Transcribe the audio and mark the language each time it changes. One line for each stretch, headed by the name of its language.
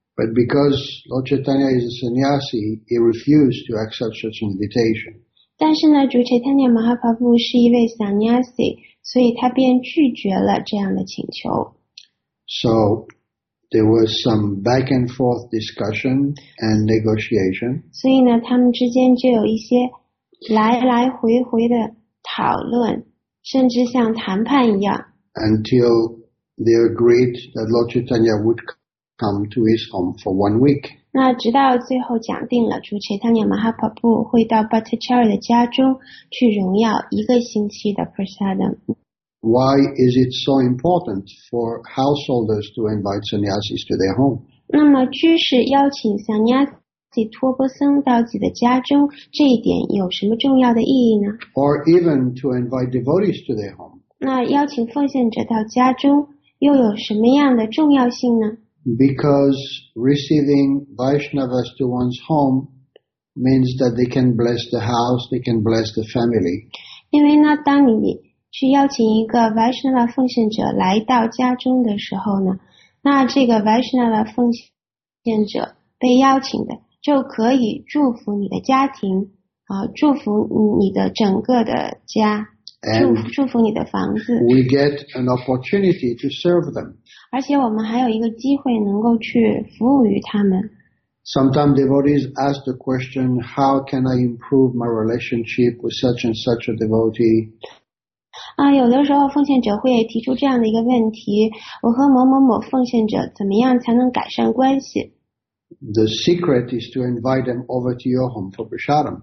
English: But because Lord Chaitanya is a sannyasi, he refused to accept such invitation.
Chinese: 但是呢主 Chaitanya Mahaprabhu 是一位 sannyasi, 所以他便拒绝了这样的请求。
English: So, there was some back and forth discussion and negotiation.
Chinese: 所以呢他们之间就有一些来来回回的讨论甚至像谈判一样。
English: Until they agreed that Lord Chaitanya would come to his home for 1 week.
Chinese: 那直到最后讲定了主 Chaitanya Mahaprabhu 会到 Bhattacharya 的家中去荣耀一个星期的 prasadam.
English: Why is it so important for householders to invite sannyasis to their home?
Chinese: 那么居士邀请 sannyasi 托钵僧到自己的家中这一点有什么重要的意义呢
English: Or even to invite devotees to their home.
Chinese: 那邀请奉献者到家中又有什么样的重要性呢
English: Because receiving Vaishnavas to one's home means that they can bless the house, they can bless the family.
Chinese: 因为呢当你去邀请一个 Vaishnava 奉献者来到家中的时候呢那这个 Vaishnava 奉献者被邀请的就可以祝福你的家庭祝福你的整个的家。
English: And
Chinese: 祝福你的房子。
English: We get an opportunity to serve them.
Chinese: 而且我们还有一个机会能够去服务于他们。
English: Sometimes devotees ask the question, how can I improve my relationship with such and such a devotee?
Chinese: 有的时候奉献者会提出这样的一个问题，我和某某某奉献者怎么样才能改善关系？
English: The secret is to invite them over to your home for prasadam.